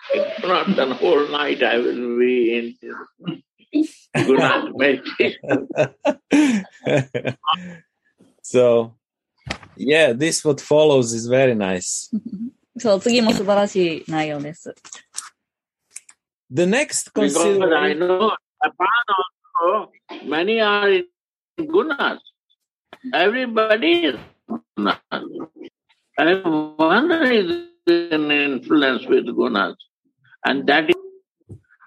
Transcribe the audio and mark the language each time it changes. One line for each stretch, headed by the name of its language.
English: If not, then whole night I will be in this. Good night, mate. So, yeah, this what follows is very nice.
Japanese: So, 次も素晴らしい内容です。
English: The next consideration... Because I know Japan also, many are in gunas. Everybody is gunas. Everyone is in influence with gunas. And that is...